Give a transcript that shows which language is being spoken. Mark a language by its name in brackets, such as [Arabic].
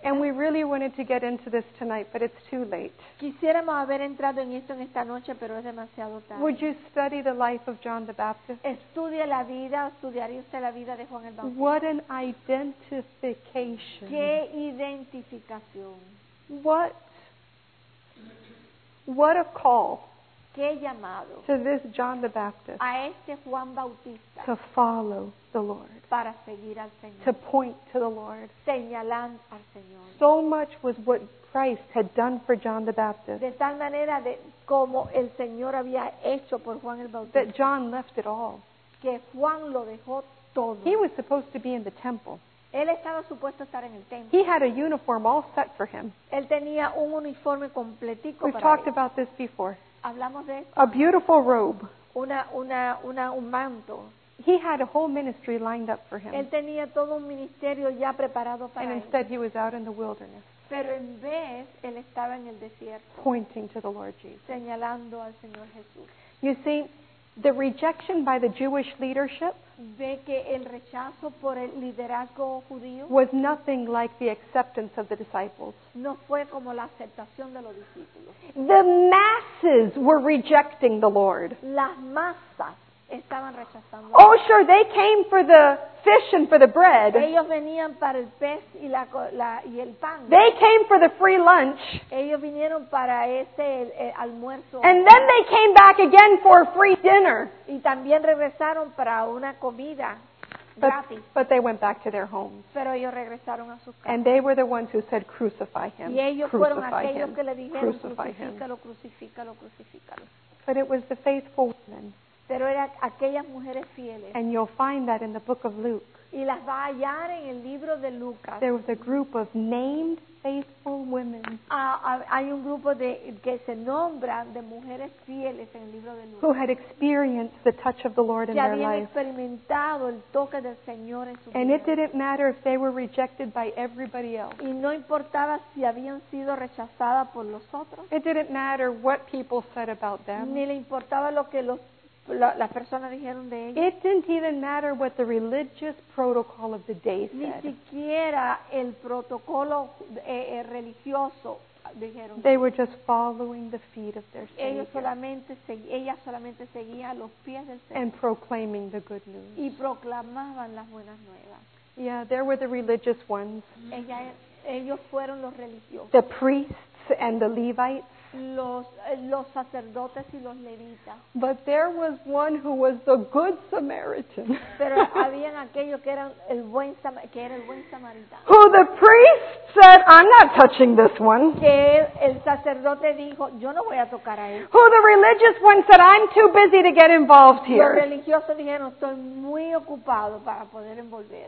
[English] And we really wanted to get into this tonight, but it's too late. [Spanish] Quisiéramos haber entrado en esto en esta noche, pero es demasiado tarde. [English] Would you study the life of John the Baptist? [Spanish] Estudia la vida, estudiaría usted la vida de Juan el Bautista. [English] What an identification. [Spanish] Qué identificación. [English] What a call. [Spanish] Qué llamado. [English] To this John the Baptist. [Spanish] A este Juan Bautista. [English] To follow the Lord. [Spanish] Para seguir al Señor. [English] To point to the Lord. [Spanish] Señalando al Señor. [English] So much was what Christ had done for John the Baptist. [Spanish] De tal manera de como el Señor había hecho por Juan el Bautista. [English] That John left it all. [Spanish] Que Juan lo dejó todo. [English] He was supposed to be in the temple. [Spanish] Él estaba supuesto a estar en el templo. [English] He had a uniform all set for him. [Spanish] Él tenía un uniforme completico [English] We've [Spanish] para [English] talked [Spanish] él. [English] About this before. [Spanish] Hablamos de esto. [English] A beautiful robe. [Spanish] Un manto. [English] He had a whole ministry lined up for him. [Spanish] Él tenía todo un ministerio ya preparado para [English] And [Spanish] él. [English] Instead he was out in the wilderness. [Spanish] Pero en vez, él estaba en el desierto. [English] Pointing to the Lord Jesus. [Spanish] Señalando al Señor Jesús. [English] You see, the rejection by the Jewish leadership [Spanish] ve que el rechazo por el liderazgo judío [English] was nothing like the acceptance of the disciples. [Spanish] No fue como la aceptación de los discípulos. [English] The masses were rejecting the Lord. [Spanish] Las masas estaban rechazando. [English] Oh, sure, they came for the fish and for the bread. [Spanish] Ellos venían para el pez y y el pan. [English] They came for the free lunch. [Spanish] Ellos vinieron para ese el almuerzo. [English] And then they came back again for a free dinner. [Spanish] Y también regresaron para una comida gratis. [English] But they went back to their homes. [Spanish] Pero ellos regresaron a sus casas. [English] And they were the ones who said, crucify him. [Spanish] Y ellos fueron aquellos que le dijeron, crucifícalo, crucifícalo, crucifícalo. [English] But it was the faithful women. [Spanish] Pero eran aquellas mujeres fieles. [English] And you'll find that in the book of Luke. [Spanish] Y las va a hallar en el libro de Lucas. [English] There was a group of named faithful women. [Spanish] Hay un grupo que se nombra de mujeres fieles en el libro de Lucas. [English] Who had experienced the touch of the Lord in their life. [Spanish] Que habían experimentado el toque del Señor en su vida. [English] And it didn't matter if they were rejected by everybody else. [Spanish] Y no importaba si habían sido rechazadas por los otros. [English] It didn't matter what people said about them. [Spanish] Ni le importaba lo que los las personas dijeron de ellos. [English] It didn't even matter what the religious protocol of the day said. [Spanish] Ni siquiera el protocolo religioso dijeron. [English] They were just following the feet of their Savior. [Spanish] Ellas solamente seguían los pies del Señor. [English] And proclaiming the good news. [Spanish] Y proclamaban las buenas nuevas. [English] Yeah, there were the religious ones. [Spanish] Ellos fueron los religiosos. [English] The priests and the Levites. [Spanish] Los sacerdotes y los levitas. [English] But there was one who was the good Samaritan. [Spanish] Pero habían aquellos que eran el buen samaritano. [English] Who the priest said, I'm not touching this one. [Spanish] Que el sacerdote dijo, yo no voy a tocar a él. [English] Who the religious one said, I'm too busy to get involved here. [Spanish] Los religiosos dijeron, estoy muy ocupado para poder envolver.